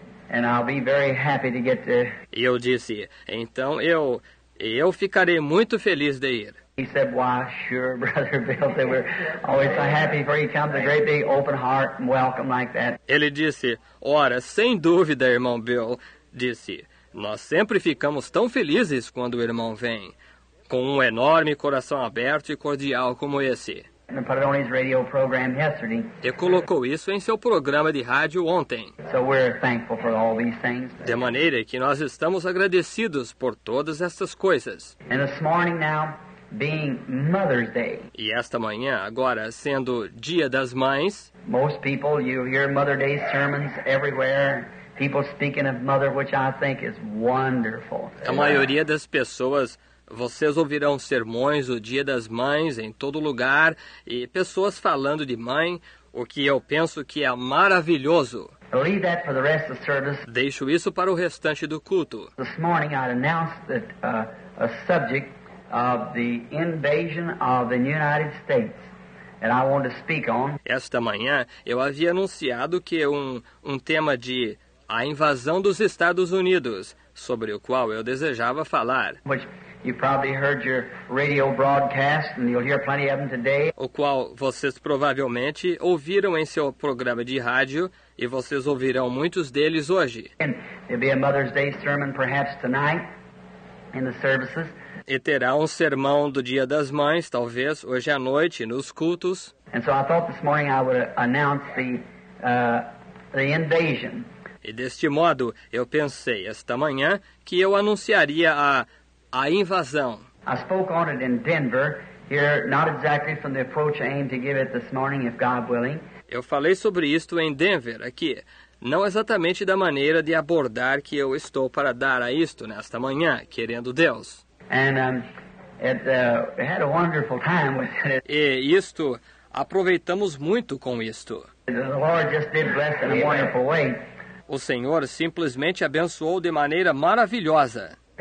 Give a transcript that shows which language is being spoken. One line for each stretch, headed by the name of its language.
English: And I'll be very happy to get to...
Portuguese: E eu disse, então eu ficarei muito feliz de ir.
English: He said, why, sure, Brother Bill, they were always so happy for you to come with a great big open heart and welcome like that.
Portuguese: Ele disse, ora, sem dúvida, irmão Bill, disse, nós sempre ficamos tão felizes quando o irmão vem, com um enorme coração aberto e cordial como esse.
English: And put it on his radio program yesterday.
Portuguese: E colocou isso em seu programa de rádio ontem.
English: So we're thankful for all these things.
Portuguese: De maneira que nós estamos agradecidos por todas estas coisas.
English: And this morning now, being Mother's Day.
Portuguese: E esta manhã, agora sendo Dia das Mães.
English: Most people, you hear Mother's Day sermons everywhere. People speaking of mother, which I think is wonderful.
Portuguese: A maioria das pessoas, vocês ouvirão sermões o Dia das Mães em todo lugar e pessoas falando de mãe, o que eu penso que é maravilhoso.
English: I'll leave that for the rest of the service.
Portuguese: Deixo isso para o restante do culto.
English: This morning I announced that a subject of the invasion of the United States. And I wanted to speak on.
Portuguese: Esta manhã eu havia anunciado que um tema de a invasão dos Estados Unidos, sobre o qual eu desejava falar.
English: Which you probably heard your radio broadcast, and you'll hear plenty of them today.
Portuguese: O qual vocês provavelmente ouviram em seu programa de rádio, e vocês ouvirão muitos deles hoje.
English: And there'll be a Mother's Day sermon perhaps tonight in the services.
Portuguese: E terá um sermão do Dia das Mães, talvez, hoje à noite, nos cultos.
English: And so I thought this morning I would announce the invasion.
Portuguese: E deste modo, eu pensei esta manhã que eu anunciaria a invasão.
English: I spoke on it in Denver, here, not exactly from the approach I aim to give it this morning, if God willing.
Portuguese: Eu falei sobre isto em Denver, aqui. Não exatamente da maneira de abordar que eu estou para dar a isto nesta manhã, querendo Deus.
English: And it had a wonderful time with it.
Portuguese: E isto, aproveitamos muito com isto.
English: The Lord just did bless in a wonderful way.
Portuguese: O Senhor simplesmente abençoou de maneira maravilhosa.